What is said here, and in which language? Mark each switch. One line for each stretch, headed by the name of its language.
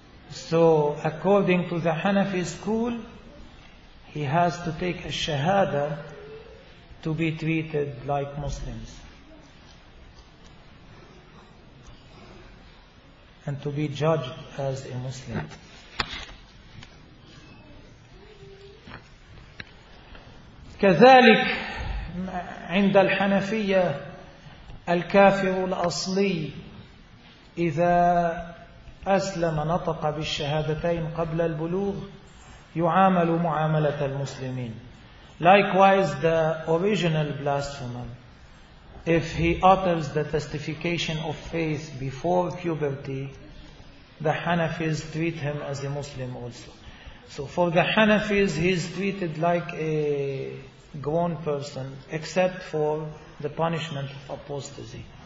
English: So according to the Hanafi school, he has to take a shahada to be treated like Muslims and to be judged as a Muslim.
Arabic: كذلك عند الحنفية الكافر الأصلي إذا أسلم نطق بالشهادتين قبل البلوغ يعامل معاملة المسلمين.
English: Likewise the original blasphemer, if he utters the testification of faith before puberty, the Hanafis treat him as a Muslim also. So for the Hanafis he is treated like a grown person, except for the punishment of apostasy.